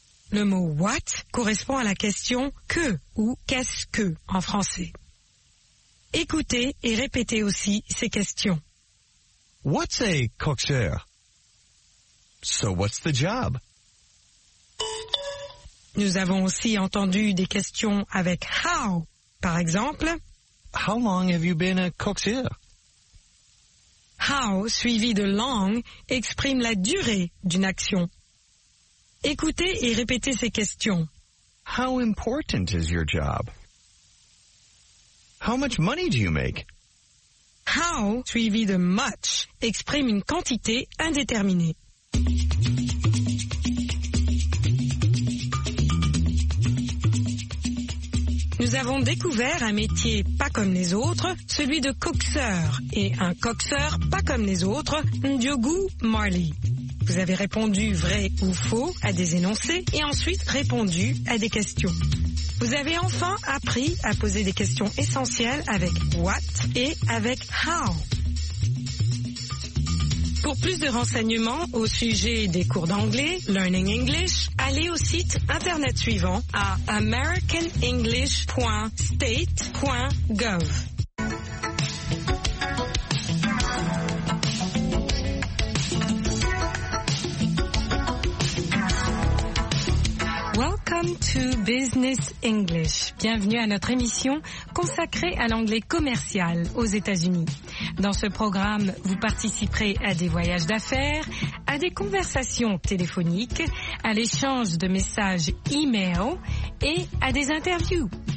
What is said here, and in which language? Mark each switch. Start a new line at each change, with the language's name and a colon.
French: Le mot what correspond à la question que ou qu'est-ce que en français. Écoutez et répétez aussi ces questions.
English: What's a coxeur? So what's the job?
French: Nous avons aussi entendu des questions avec how. Par exemple,
English: how long have you been a coxeur?
French: How, suivi de long, exprime la durée d'une action. Écoutez et répétez ces questions.
English: How important is your job? How much money do you make?
French: How, suivi de much, exprime une quantité indéterminée. Nous avons découvert un métier pas comme les autres, celui de coxeur, et un coxeur pas comme les autres, Ndiogu Marley. Vous avez répondu vrai ou faux à des énoncés et ensuite répondu à des questions. Vous avez enfin appris à poser des questions essentielles avec what et avec how. Pour plus de renseignements au sujet des cours d'anglais, Learning English, allez au site internet suivant à americanenglish.state.gov.
English: Welcome to Business English.
French: Bienvenue à notre émission consacrée à l'anglais commercial aux États-Unis. Dans ce programme, vous participerez à des voyages d'affaires, à des conversations téléphoniques, à l'échange de messages e-mail et à des interviews.